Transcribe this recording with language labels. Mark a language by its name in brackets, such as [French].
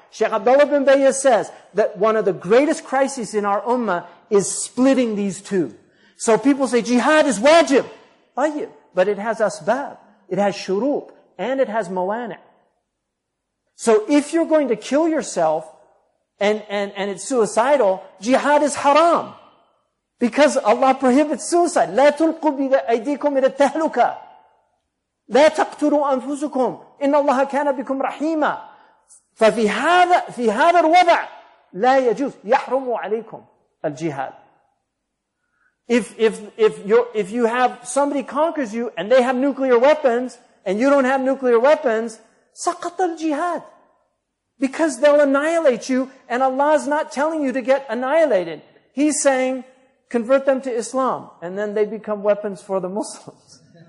[English] Shaykh Abdullah bin Bayya says that one of the greatest crises in our ummah is splitting these two. So people say jihad is wajib. Tayyib. But it has asbab. It has shurut. And it has mawana. So if you're going to kill yourself and it's suicidal, jihad is haram. Because Allah prohibits suicide. [Arabic] لا تلقوا بأيديكم إلى التهلكة. لا تقتلوا أنفسكم. إن الله كان بكم رحيما. ففي هذا الوضع لا يجوز يحرم عليكم الجهاد. [English] If you have somebody conquers you and they have nuclear weapons and you don't have nuclear weapons, [Arabic] سقط الجهاد. [English] Because they'll annihilate you, and Allah is not telling you to get annihilated. He's saying, convert them to Islam, and then they become weapons for the Muslims.